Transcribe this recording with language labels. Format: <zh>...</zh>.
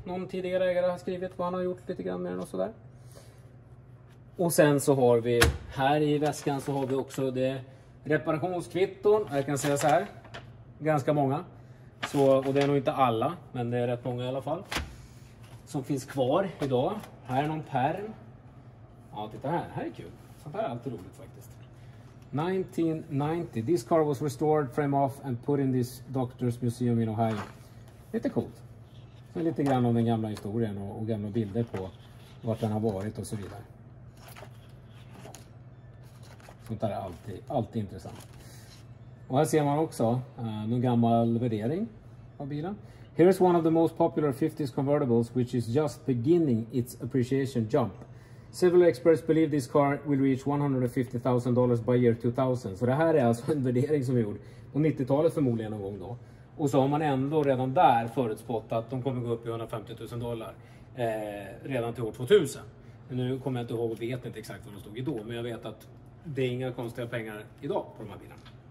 <sv>Någon tidigare ägare har skrivit vad han har gjort lite grann med den och sådär. Och sen så har vi här i väskan så har vi också det reparationskvitton. Jag kan säga så här. Ganska många. Så, och det är nog inte alla, men det är rätt många i alla fall. Som finns kvar idag. Här är någon pärm. Ja, titta här. Här är kul. Sånt här är alltid roligt faktiskt. 1990.</sv> <en>This car was restored, frame off and put in this doctor's museum in Ohio.</en> <sv>Lite coolt. Så lite grann om den gamla historien och gamla bilder på vart den har varit och så vidare. Sånt där är alltid intressant. Och här ser man också någon gammal värdering av bilen.</sv> <en>Here is one of the most popular 50s convertibles which is just beginning its appreciation jump. Several experts believe this car will reach $150,000 by year 2000.</en> <sv>Så det här är alltså en värdering som vi gjorde på 90-talet förmodligen någon gång då. Och så har man ändå redan där förutspått att de kommer gå upp i $150,000 redan till år 2000. Men nu kommer jag inte ihåg och vet inte exakt vad de stod i då. Men jag vet att det är inga konstiga pengar idag på de här bilarna.</sv>